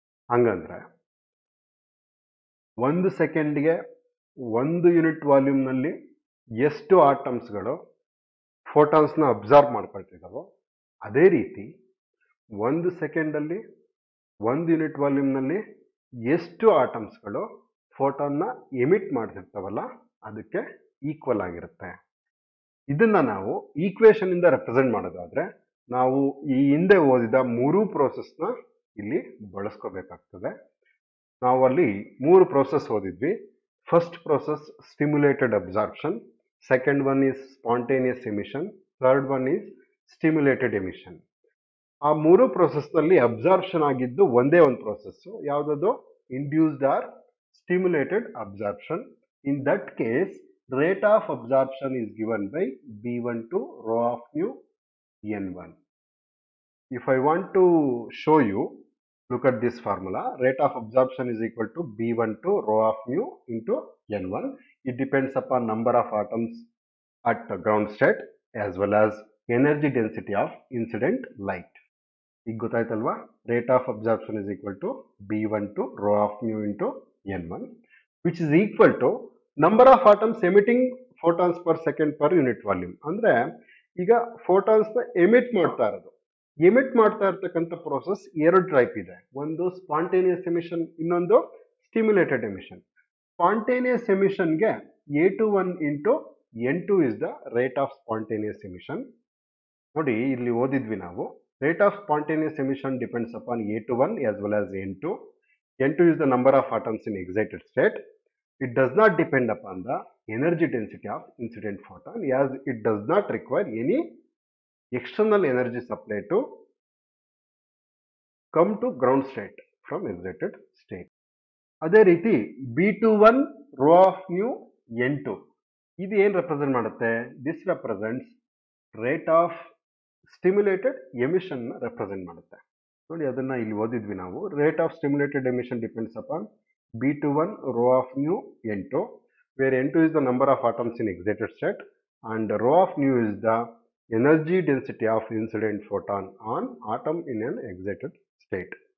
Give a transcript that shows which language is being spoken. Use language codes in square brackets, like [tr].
[kn] Angandra, 1 second ge 1 unit volume nalli eshtu atoms galu photons na absorb maadkoltidavo, ade reeti 1 second alli 1 unit volume nalli eshtu atoms galu photon ನ emit ಮಾಡ್ತಿರ್ತಾವಲ್ಲ ಅದಕ್ಕೆ equal ಆಗಿರುತ್ತೆ. ಇದನ್ನ ನಾವು equation ಇಂದ represent ಮಾಡೋದಾದ್ರೆ ನಾವು ಈ ಹಿಂದೆ ಓದಿದ ಮೂರು ಪ್ರೋಸೆಸ್ನ ಇಲ್ಲಿ ಬಳಸ್ಕೋಬೇಕಾಗ್ತದೆ. ನಾವು ಅಲ್ಲಿ ಮೂರು process ಓದಿದ್ವಿ. [en] First process stimulated absorption, second one is spontaneous emission, third one is stimulated emission. [kn] ಆ ಮೂರು ಪ್ರೋಸೆಸ್ನಲ್ಲಿ ಅಬ್ಸಾರ್ಪ್ಷನ್ ಆಗಿದ್ದು ಒಂದೇ ಒಂದು ಪ್ರೋಸೆಸ್ಸು, ಯಾವುದದು induced R [en] stimulated absorption. In that case, rate of absorption is given by B1 to rho of nu N1. If I want to show you, look at this formula. Rate of absorption is equal to B1 to rho of nu into N1. It depends upon number of atoms at the ground state as well as energy density of incident light. [kn] ಈಗ ಗೊತ್ತಾಯ್ತಲ್ವಾ, [en] Rate of absorption is equal to B1 to rho of nu into N1, which is equal to number of atoms emitting photons per second per unit volume. [kn] ಅಂದರೆ ಈಗ ಫೋಟಾನ್ಸ್ನ emit ಮಾಡ್ತಾ ಇರೋದು, emit ಮಾಡ್ತಾ ಇರತಕ್ಕಂಥ process ಎರಡು type ಇದೆ. ಒಂದು spontaneous emission, ಇನ್ನೊಂದು stimulated emission. [en] Spontaneous ಎಮಿಷನ್ಗೆ A21 into N2 is the rate of spontaneous emission. [kn] ನೋಡಿ, ಇಲ್ಲಿ ಓದಿದ್ವಿ ನಾವು, [en] rate of spontaneous emission depends upon A21 as well as N2. N2 is the number of atoms in excited state. It does not depend upon the energy density of incident photon, as it does not require any external energy supply to come to ground state from excited state. [kn] ಅದೇ ರೀತಿ B21 rho of nu N2, ಇದು ಏನು represent ಮಾಡುತ್ತೆ? [en] This represents rate of stimulated emission represent ಮಾಡುತ್ತೆ. [kn] ನೋಡಿ, ಅದನ್ನ ಇಲ್ಲಿ ಓದಿದ್ವಿ ನಾವು, [en] Rate of stimulated emission depends upon B21 rho of nu N2, where N2 is the number of atoms in excited state and rho of nu is the energy density of incident photon on atom in an excited state.